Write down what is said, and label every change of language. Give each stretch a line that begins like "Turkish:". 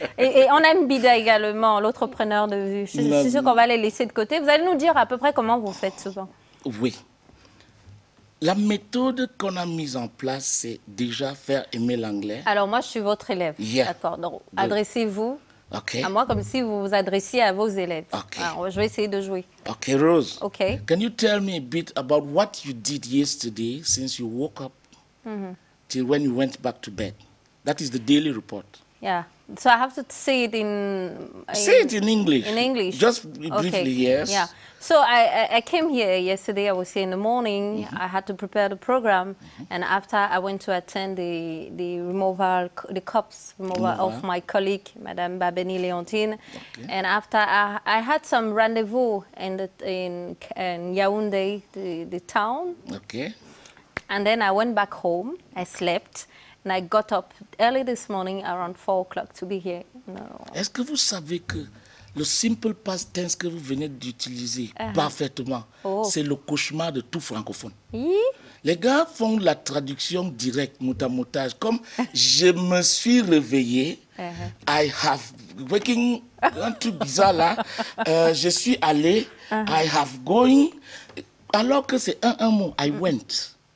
French: Et on aime Bida également, l'autre preneur de vue. Je suis sûr qu'on va les laisser de côté. Vous allez nous dire à peu près comment vous faites souvent. Oui. La méthode qu'on a mise en place, c'est déjà faire aimer l'anglais. Alors, moi, je suis votre élève.
English: Yeah.
French: D'accord. Donc, adressez-vous à moi comme si vous vous adressiez à vos élèves.
English: Okay.
French: Alors, je vais essayer de jouer.
English: OK, Rose. OK. Can you tell me a bit about what you did yesterday since you woke up till when you went back to bed? That is the daily report. Yeah. So I have to say it in... Say it in English. In English. Just briefly, yes. Yeah. So I came here yesterday, I was here in the morning, I had to prepare the program, and after I went to attend the removal, the COPS removal of my colleague, Madame Babeni Leontine, and after I had some rendezvous in Yaoundé, the town, and then I went back home, I slept, and I got up early this morning around 4 o'clock to be here.
French: Est-ce que vous savez que... Le simple past tense que vous venez d'utiliser parfaitement, c'est le cauchemar de tout francophone. Les gars font la traduction directe, moutamoutage, comme je me suis réveillé,
English: I have waking,
French: un truc bizarre là, je suis allé,
English: I have going,
French: alors que c'est un mot,
English: I went.